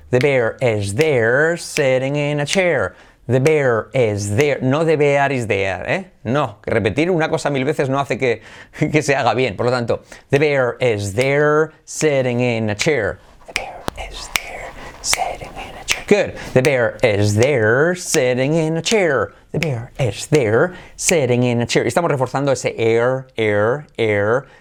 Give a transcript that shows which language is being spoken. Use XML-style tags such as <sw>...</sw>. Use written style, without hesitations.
<en>The bear is there sitting in a chair. The bear is there. No, the bear is there, ¿eh?</en> <es>No, repetir una cosa mil veces no hace que se haga bien. Por lo tanto,</es> <en>the bear is there sitting in a chair. The bear is there sitting in a chair. Good. The bear is there sitting in a chair. The bear is there sitting in a chair.</en> <es>Y estamos reforzando ese</es> <en>air, air, air.</en>